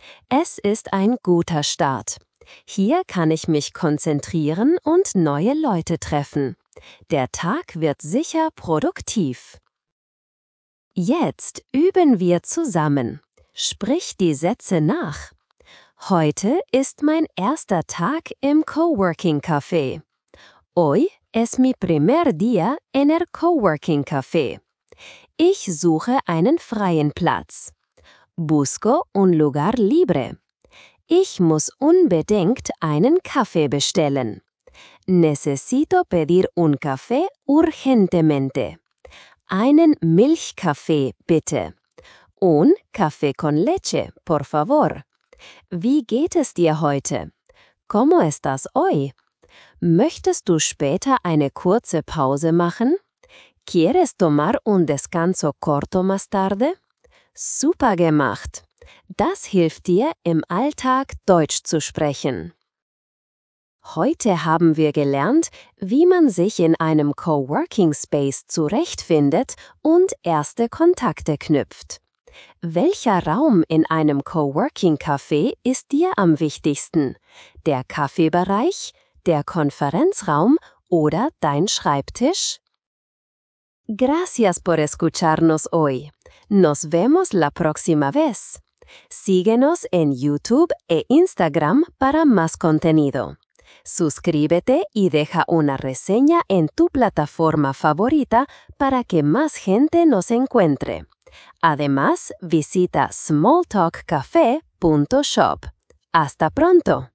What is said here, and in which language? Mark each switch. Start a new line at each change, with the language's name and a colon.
German: Es ist ein guter Start. Hier kann ich mich konzentrieren und neue Leute treffen. Der Tag wird sicher produktiv. Jetzt üben wir zusammen. Sprich die Sätze nach. Heute ist mein erster Tag im Coworking Café.
Spanish: Hoy es mi primer día en el Coworking Café.
German: Ich suche einen freien Platz.
Spanish: Busco un lugar libre.
German: Ich muss unbedingt einen Kaffee bestellen.
Spanish: Necesito pedir un café urgentemente.
German: Einen Milchkaffee, bitte.
Spanish: Un café con leche, por favor.
German: Wie geht es dir heute?
Spanish: ¿Cómo estás hoy?
German: Möchtest du später eine kurze Pause machen?
Spanish: ¿Quieres tomar un descanso corto más tarde?
German: Super gemacht! Das hilft dir, im Alltag Deutsch zu sprechen. Heute haben wir gelernt, wie man sich in einem Coworking Space zurechtfindet und erste Kontakte knüpft. Welcher Raum in einem Coworking-Café ist dir am wichtigsten? Der Kaffeebereich, der Konferenzraum oder dein Schreibtisch?
Spanish: Gracias por escucharnos hoy. Nos vemos la próxima vez. Síguenos en YouTube e Instagram para más contenido. Suscríbete y deja una reseña en tu plataforma favorita para que más gente nos encuentre. Además, visita smalltalkcafe.shop. ¡Hasta pronto!